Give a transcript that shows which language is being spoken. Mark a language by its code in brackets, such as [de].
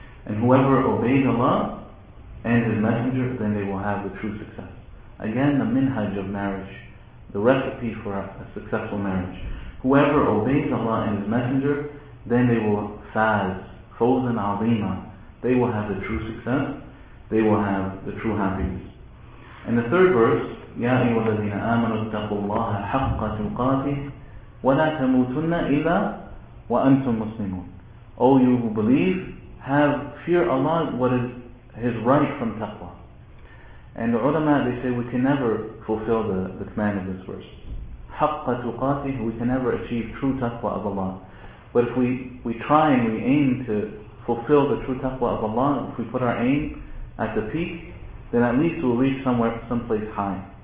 [en] And whoever obeys Allah and His Messenger, then they will have the true success. Again, the minhaj of marriage, the recipe for a successful marriage. Whoever obeys Allah and His Messenger, then they will faz, [ar] فَوْزًا عَظِيمًا. [en] They will have the true success, they will have the true happiness. And the third verse, [ar] يَا أَيُّهَا الَّذِينَ آمَنُوا اتَّقُوا اللَّهَ حَقَّ تُقَاتِهِ وَلَا تَمُوتُنَّ إِلَّا وَأَنْتُمْ مُسْلِمُونَ. [en] O you who believe, have fear Allah what is His right from taqwa. And the ulama, they say we can never fulfill the command of this verse. [ar] حَقَّ تُقَاتِهِ. [en] We can never achieve true taqwa of Allah. But if we try and we aim to fulfill the true taqwa of Allah, if we put our aim at the peak, then at least we'll reach somewhere, someplace high.